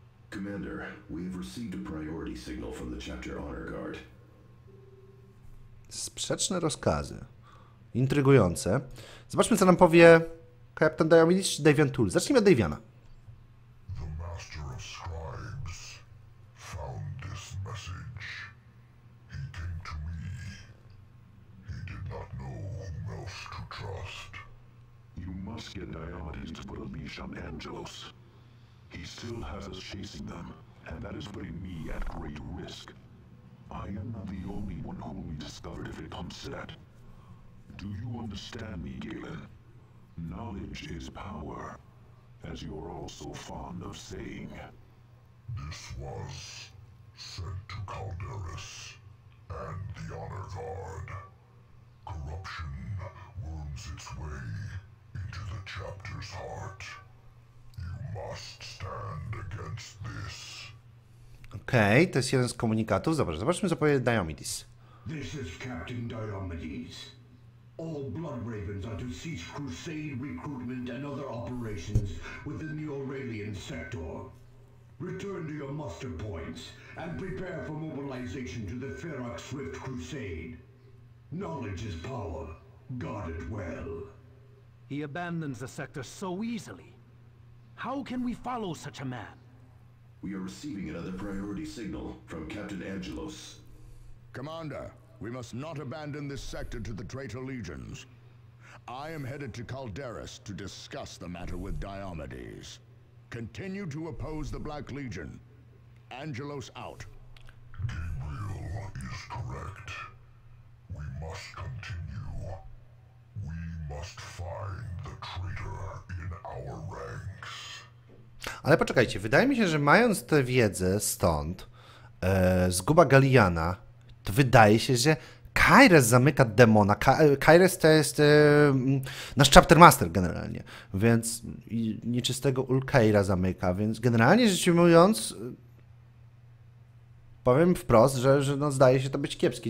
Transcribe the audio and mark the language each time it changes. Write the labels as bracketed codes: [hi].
[en] Commander, we've received a priority signal from the chapter Honor Guard. [pl] Sprzeczne rozkazy. Intrygujące. Zobaczmy, co nam powie Captain Diomedes czy Davian Tull. Zacznijmy od Daviana. [en] The Master of Scribes found this message. He came to me. He did not know whom else to trust. You must get Diomedes to put a leash on Angelos. He still has us chasing them, and that is putting me at great risk. I am not the only one whom we discovered if it comes to that. Do you understand me, Galen? Knowledge is power, as you're all so fond of saying. This was sent to Calderas and the Honor Guard. Corruption worms its way into the chapter's heart. You must stand against this. [pl] Okej, to jest jeden z komunikatów. Dobrze, zobaczmy, co powie Diomedes. [en] This is Captain Diomedes. All Blood Ravens are to cease crusade recruitment and other operations within the Aurelian sector. Return to your muster points and prepare for mobilization to the Ferox Rift Crusade. Knowledge is power. Guard it well. He abandons the sector so easily. How can we follow such a man? We are receiving another priority signal from Captain Angelos. Commander, we must not abandon this sector to the traitor legions. I am headed to Calderas to discuss the matter with Diomedes. Continue to oppose the Black Legion. Angelos out. Gabriel is correct. We must continue. We must find the traitor in our ranks. [pl] Ale poczekajcie, wydaje mi się, że mając tę wiedzę stąd, zguba Galliana, to wydaje się, że Kairos zamyka demona. Kairos to jest nasz chapter master generalnie, więc nieczystego Ulkaira zamyka, więc generalnie rzecz ujmując, powiem wprost, że no, zdaje się to być kiepskie.